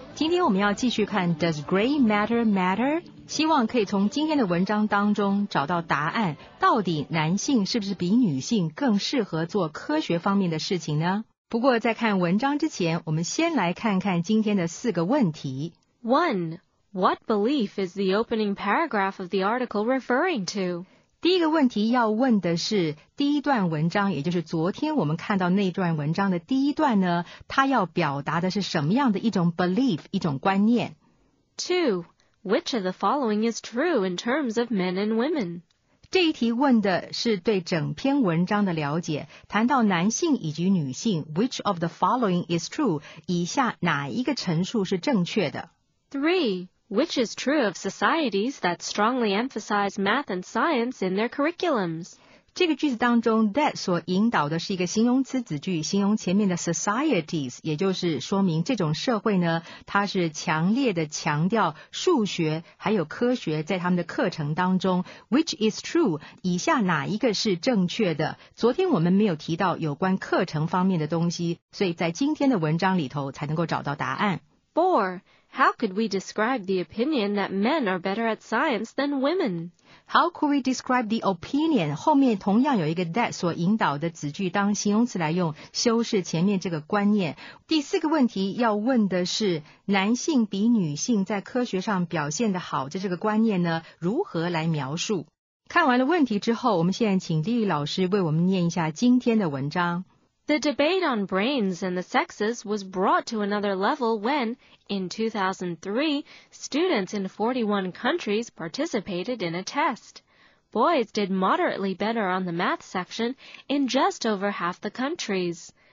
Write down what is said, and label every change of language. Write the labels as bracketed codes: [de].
[zh] 今天我们要继续看 Does Gray Matter Matter? 希望可以从今天的文章当中找到答案，到底男性是不是比女性更适合做科学方面的事情呢？不过在看文章之前，我们先来看看今天的四个问题。 [en] One, what belief is the opening paragraph of the article referring to? [zh] 第一个问题要问的是第一段文章，也就是昨天我们看到那段文章的第一段呢，它要表达的是什么样的一种 belief, 一种观念。 [en] Two, which of the following is true in terms of men and women? [zh] 这一题问的是对整篇文章的了解，谈到男性以及女性， which of the following is true, 以下哪一个陈述是正确的。 [en] Three,Which is true of societies that strongly emphasize math and science in their curriculums? [zh] 这个句子当中 that 所引导的是一个形容词子句，形容前面的 societies, 也就是说明这种社会呢，它是强烈的强调数学还有科学在他们的课程当中。 Which is true? 以下哪一个是正确的？昨天我们没有提到有关课程方面的东西，所以在今天的文章里头才能够找到答案。 [en] Four. How could we describe the opinion that men are better at science than women? How could we describe the opinion? [zh] 后面同样有一个 that 所引导的子句当形容词来用，修饰前面这个观念。第四个问题要问的是，男性比女性在科学上表现得好的这个观念呢，如何来描述？看完了问题之后，我们现在请丽丽老师为我们念一下今天的文章。 [en] The debate on brains and the sexes was brought to another level when, in 2003, students in 41 countries participated in a test. Boys did moderately better on the math section in just over half the countries.